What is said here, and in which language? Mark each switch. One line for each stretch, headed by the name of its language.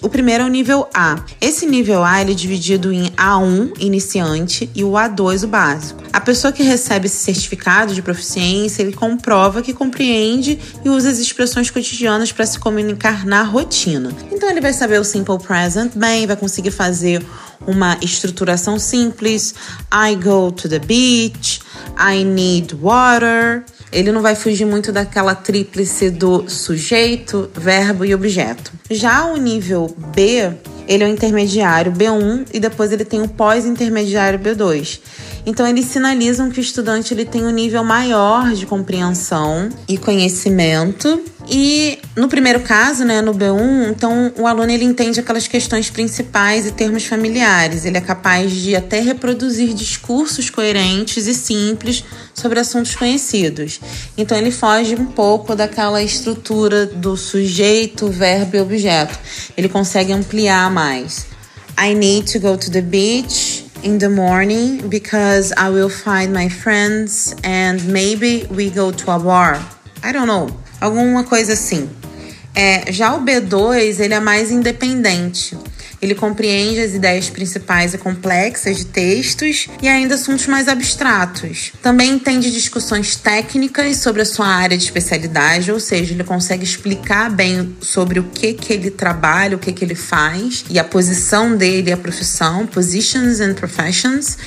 Portuguese: O primeiro é o nível A. Esse nível A, ele é dividido em A1, iniciante, e o A2, o básico. A pessoa que recebe esse certificado de proficiência, ele comprova que compreende e usa as expressões cotidianas para se comunicar na rotina. Então, ele vai saber o simple present bem, vai conseguir fazer uma estruturação simples.
English: I go to the beach, I need water.
Portuguese: Ele não vai fugir muito daquela tríplice do sujeito, verbo e objeto. Já o nível B, ele é o intermediário B1 e depois ele tem o pós-intermediário B2. Então, eles sinalizam que o estudante ele tem um nível maior de compreensão e conhecimento. E no primeiro caso, né, no B1, então o aluno ele entende aquelas questões principais e termos familiares. Ele é capaz de até reproduzir discursos coerentes e simples sobre assuntos conhecidos. Então, ele foge um pouco daquela estrutura do sujeito, verbo e objeto. Ele consegue ampliar mais.
English: I need to go to the beach in the morning because I will find my friends and maybe we go to a bar. I don't know.
Portuguese: Alguma coisa assim. É, já o B2, ele é mais independente. Ele compreende as ideias principais e complexas de textos e ainda assuntos mais abstratos. Também entende discussões técnicas sobre a sua área de especialidade, ou seja, ele consegue explicar bem sobre o que ele trabalha, o que ele faz e a posição dele e a profissão,
English: positions and professions.